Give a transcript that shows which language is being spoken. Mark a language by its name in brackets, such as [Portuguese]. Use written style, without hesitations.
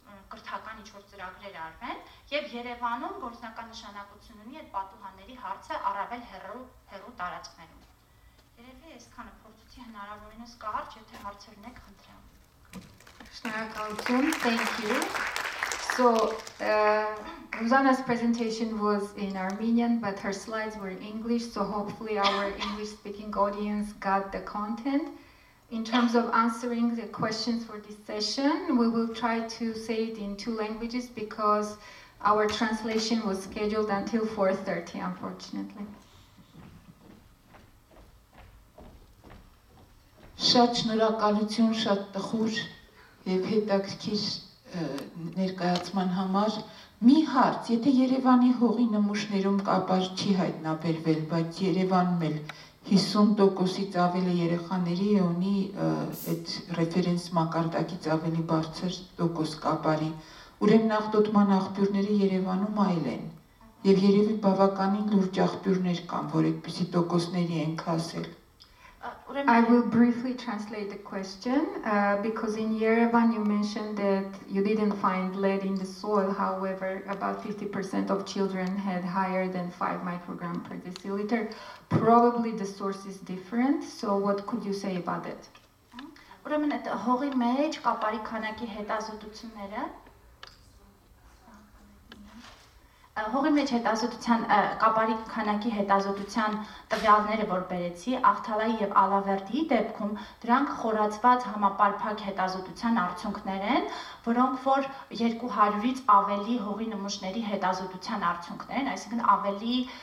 [Armenian] կրթական ինչ-որ ծրագրեր արվեն, եւ Երևանում գործնական նշանակություն ունի այդ պատուհանների հարցը առավել հեռու տարածքներում։ Երևի այսքանը, փորձեցի հնարավորինս կարճ, եթե հարցերն եք, խնդրեմ։ Շնորհակալություն, [English] thank you. So, Ruzana's presentation was in Armenian, but her slides were in English, so hopefully our English-speaking audience got the content. In terms of answering the questions for this session, we will try to say it in two languages because our translation was scheduled until 4:30, unfortunately. [Armenian] Շատ շնորհակալություն, շատ տխուր եւ հետաքրքիր ներկայացման համար։ Մի հարց, եթե Երևանի հողի նմուշներում կապար չի հայտնաբերվել, բայց Երևանում էլ 50%-ից ավելի երեխաների է ունի այդ ռեֆերենս մակարդակից ավելի բարձր տոկոս կապարի, ուրեմն աղտոտման աղբյուրները Երևանում այլ են, եւ երևի բավականին լուրջ աղբյուրներ կան, որ այդպիսի տոկոսների են քասել։ [English] I will briefly translate the question, because in Yerevan you mentioned that you didn't find lead in the soil, however about 50% of children had higher than 5 microgram per deciliter. Probably the source is different, so what could you say about it? [Armenian] Ուրեմն այդ հողի մեջ կապարի քանակի հետազոտությունները Հողի մեջ հետազոտության կապարի քանակի հետազոտության տվյալները, որ բերեցի, Աղթալայի եւ Ալավերդիի դեպքում դրանք խորացված համապարփակ հետազոտության արդյունքներ են, որոնք որ 200-ից ավելի հողի նմուշների հետազոտության արդյունքներ են, այսինքն ավելի